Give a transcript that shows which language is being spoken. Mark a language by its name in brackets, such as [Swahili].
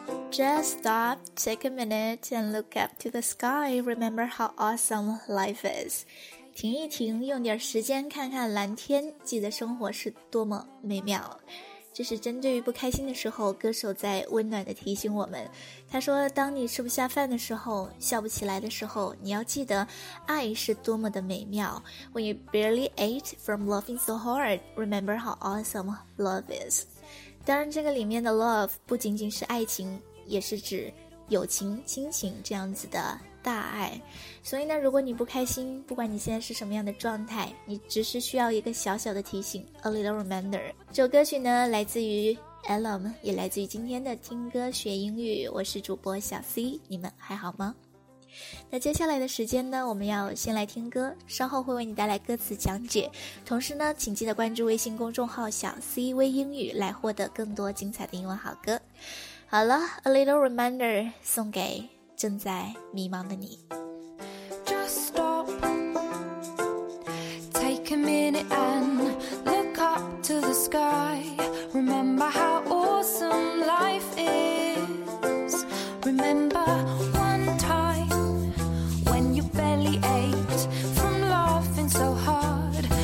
[English] Just stop, take a minute, and look up to the sky. Remember how awesome life is. [Chinese] 停一停，用点时间看看蓝天，记得生活是多么美妙。这是针对于不开心的时候，歌手在温暖地提醒我们。他说，当你吃不下饭的时候，笑不起来的时候，你要记得爱是多么的美妙。 [English] When you barely ate from loving so hard, remember how awesome love is. [Chinese] 当然这个里面的 love 不仅仅是爱情，也是指友情、亲情这样子的大爱。所以呢，如果你不开心，不管你现在是什么样的状态，你只是需要一个小小的提醒， [English] A little reminder。 [Chinese] 这首歌曲呢来自于 Elam， 也来自于今天的听歌学英语。我是主播小 C， 你们还好吗？那接下来的时间呢，我们要先来听歌，稍后会为你带来歌词讲解。同时呢，请记得关注微信公众号小 C 微英语，来获得更多精彩的英文好歌。好了， A little reminder 送给正在迷茫的你。 [English] Just stop, take a minute and look up to the sky. Remember how awesome life is. Remember one time when you barely ate from laughing so hard.